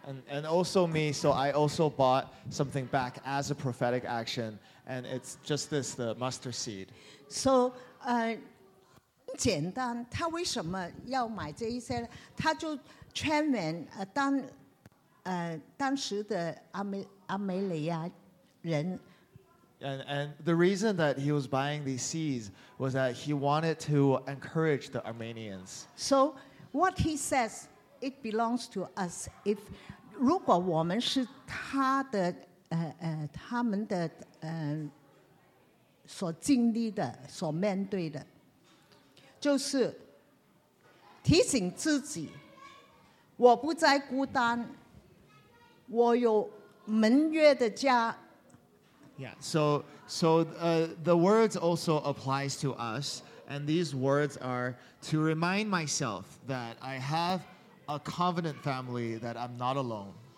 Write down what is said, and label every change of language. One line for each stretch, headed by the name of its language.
English: And also me, so I also bought something back as a prophetic action, and it's just this, the mustard seed. So,
Chinese: 简单，他为什么要买这一些？他就劝勉当时的阿梅利亚人。
English: And the reason that he was buying these seeds was that he wanted to encourage the Armenians. So, what he says, it belongs to us. If
Chinese: 如果我们是他的，他们的所经历的、所面对的，就是提醒自己，我不再孤单，我有门约的家。
English: Yeah. So the words also applies to us, and these words are to remind myself that I have a covenant family, that I'm not alone.